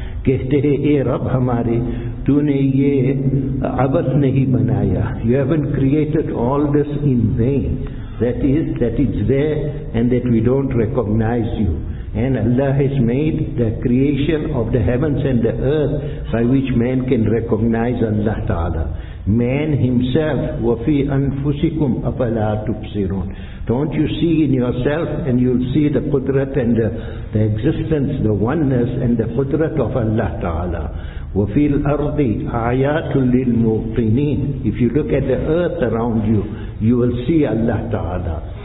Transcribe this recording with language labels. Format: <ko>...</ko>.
<hi>Kehte hai, ey Rabb hamare, tu ne ye abad nahi banaya.</hi> <en>You haven't created all this in vain. That it's there and that we don't recognize you. And Allah has made the creation of the heavens and the earth by which man can recognize Allah Ta'ala. Man himself,</en> <ar>وَفِي أَنفُسِكُمْ أَفَلَا تُبْصِرُونَ.</ar> <en>Don't you see in yourself, and you'll see the Qudrat and the existence, the oneness and the Qudrat of Allah Ta'ala.</en> <ar>وَفِي الْأَرْضِ آيَاتٌ لِلْمُوقِنِينَ.</ar> <en>If you look at the earth around you, you will see Allah Ta'ala.</en>